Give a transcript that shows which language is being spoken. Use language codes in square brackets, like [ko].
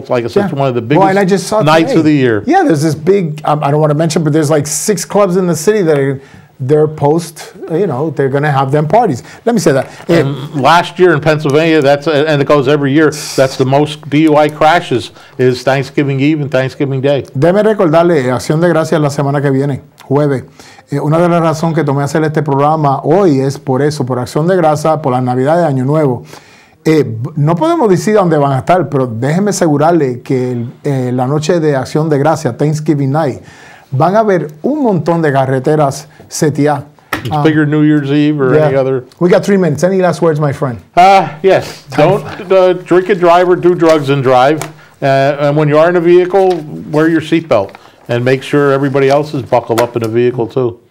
[en] It's like I said, it's one of the biggest nights of the year. Yeah, there's this big, I don't want to mention, but there's like six clubs in the city that they're going to have them parties. Let me say that. And last year in Pennsylvania, and it goes every year, that's the most DUI crashes is Thanksgiving Eve and Thanksgiving Day. [es] Deme recordarle Acción de Gracias la semana que viene. Jueves. Una de las razones que tomé hacer este programa hoy es por eso, por Acción de Gracia, por la Navidad de Año Nuevo. No podemos decir dónde van a estar, pero déjeme asegurarle que la noche de Acción de Gracia, Thanksgiving Night, van a haber un montón de carreteras CTA. [en] It's bigger New Year's Eve or any other. We got 3 minutes. Any last words, my friend? Yes. Drink and drive or do drugs and drive. And when you are in a vehicle, wear your seatbelt. And make sure everybody else is buckled up in the vehicle, too.